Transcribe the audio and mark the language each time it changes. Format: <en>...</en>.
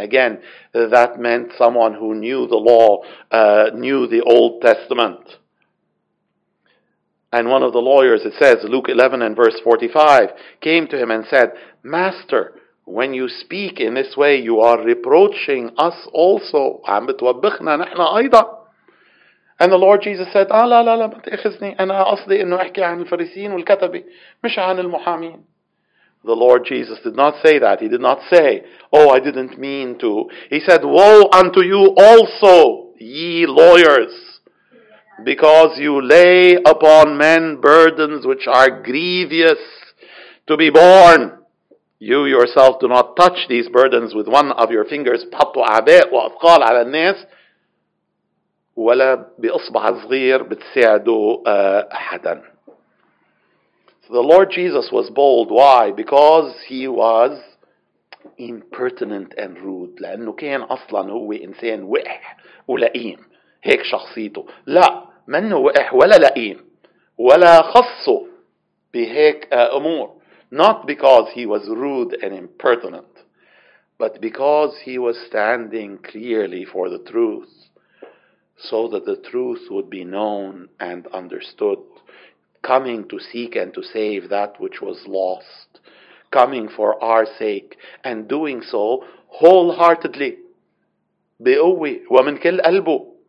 <en>Again, that meant someone who knew the law, knew the Old Testament. And one of the lawyers, it says, Luke 11 and verse 45, came to him and said, Master, when you speak in this way, you are reproaching us also.</en> <ar>عم بتوبخنا نحن أيضا.</ar> <en>And the Lord Jesus said,</en> <ar>آه لا لا لا ما تأخذني. أنا قصدي أنه أحكي عن الفريسيين والكتبي. مش عن المحامين.</ar> <en>The Lord Jesus did not say that. He did not say, oh, I didn't mean to. He said, woe unto you also, ye lawyers. Because you lay upon men burdens which are grievous to be borne. You yourself do not touch these burdens with one of your fingers.</en> <ar>بحطوا أعباء وأثقال على الناس ولا بإصبع صغير بتساعدوا أحدا.</ar> <en>So the Lord Jesus was bold. Why? Because he was impertinent and rude.</en> <ar>لأنه كان أصلا هو إنسان وقح ولئيم. هيك شخصيته. لا منه وقح ولا لئيم ولا خصه بهيك أمور.</ar> <en>Not because he was rude and impertinent, but because he was standing clearly for the truth, so that the truth would be known and understood, coming to seek and to save that which was lost, coming for our sake, and doing so wholeheartedly,</en> <ar>بقوة ومن كل قلبه.</ar>